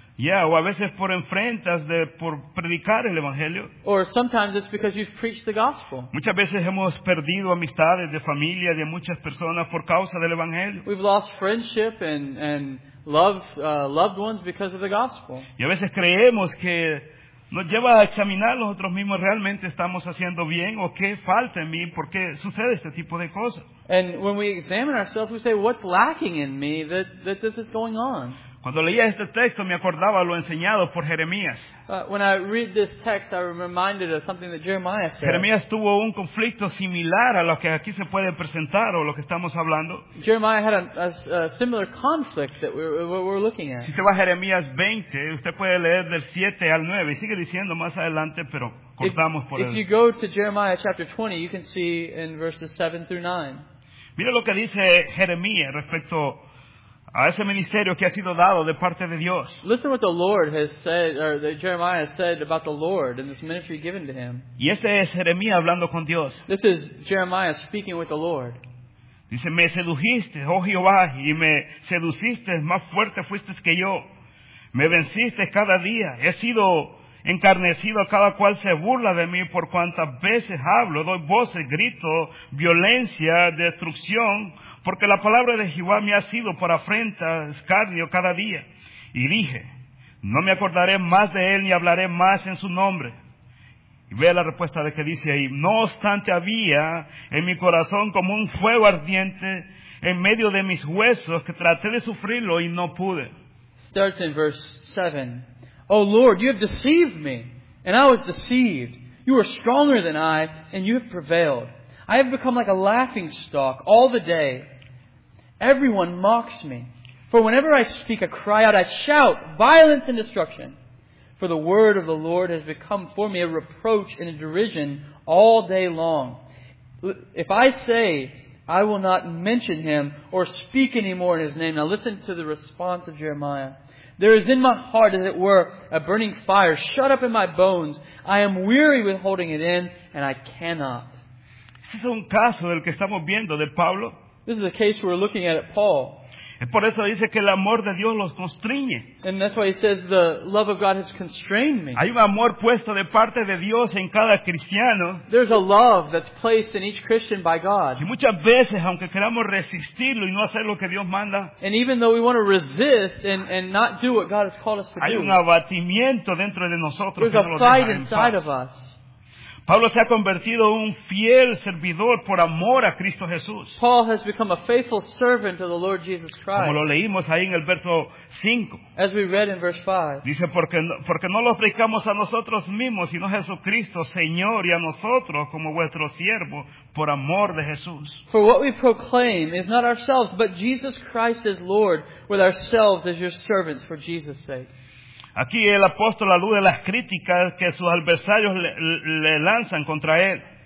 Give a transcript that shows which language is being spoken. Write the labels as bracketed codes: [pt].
[es] Yeah, o a veces por enfrentas de por predicar el evangelio. [en] Or sometimes it's because you've preached the gospel. [es] Muchas veces hemos perdido amistades de familia de muchas personas por causa del evangelio. [en] We've lost friendship and loved ones because of the gospel. [es] Y a veces creemos que nos lleva a examinar nosotros mismos realmente estamos haciendo bien o qué falta en mí, por qué sucede este tipo de cosas. [en] And when we examine ourselves, we say, what's lacking in me that this is going on? [es] Cuando leía este texto, me acordaba lo enseñado por Jeremías. [en] When I read this text, I was reminded of something that Jeremiah said. [es] Jeremías tuvo un conflicto similar a lo que aquí se puede presentar o lo que estamos hablando. [en] Jeremiah had a similar conflict that we're looking at. [es] Si se va a Jeremías 20, usted puede leer del 7 al 9 y sigue diciendo más adelante, pero cortamos por el. [en] If you go to Jeremiah chapter 20, you can see in verses 7 through 9. [es] Mira lo que dice Jeremías respecto a ese ministerio que ha sido dado de parte de Dios. [en] Listen what the Lord has said, or that Jeremiah has said about the Lord and this ministry given to him. [es] Y este es Jeremías hablando con Dios. [en] This is Jeremiah speaking with the Lord. [es] Dice, me sedujiste, oh Jehová, y me seduciste, más fuerte fuiste que yo. Me venciste cada día. He sido encarnecido cada cual se burla de mí por cuantas veces hablo, doy voces, grito, violencia, destrucción, porque la palabra de Jehová me ha sido por afrenta, escarnio cada día. Y dije, no me acordaré más de él ni hablaré más en su nombre. Y vea la respuesta de que dice ahí, no obstante había en mi corazón como un fuego ardiente en medio de mis huesos que traté de sufrirlo y no pude. [en] Starts in verse 7. Oh Lord, you have deceived me, and I was deceived. You are stronger than I, and you have prevailed. I have become like a laughing stock all the day. Everyone mocks me. For whenever I speak, I cry out, I shout, violence and destruction. For the word of the Lord has become for me a reproach and a derision all day long. If I say, I will not mention him or speak any more in his name. Now listen to the response of Jeremiah. There is in my heart, as it were, a burning fire shut up in my bones. I am weary with holding it in, and I cannot. [es] Este es un caso del que estamos viendo de Pablo. [en] This is a case we're looking at Paul. [es] Es por eso dice que el amor de Dios los constriñe. [en] And that's why he says the love of God has constrained me. [es] Hay un amor puesto de parte de Dios en cada cristiano. [en] There's a love that's placed in each Christian by God. [es] Y muchas veces, aunque queramos resistirlo y no hacer lo que Dios manda, [en] and even though we want to resist and not do what God has called us to do, [es] hay un abatimiento dentro de nosotros. [en] There's a fight inside of us. [es] Pablo se ha convertido en un fiel servidor por amor a Cristo Jesús. [en] Paul has become a faithful servant of the Lord Jesus Christ. [es] Como lo leímos ahí en el verso 5. [en] As we read in verse 5. [es] Dice, porque no lo predicamos a nosotros mismos, sino a Jesucristo, Señor, y a nosotros como vuestro siervo, por amor de Jesús. [en] For what we proclaim is not ourselves, but Jesus Christ as Lord, with ourselves as your servants for Jesus' sake. [es] Aquí el apóstol alude a las críticas que sus adversarios le lanzan contra él.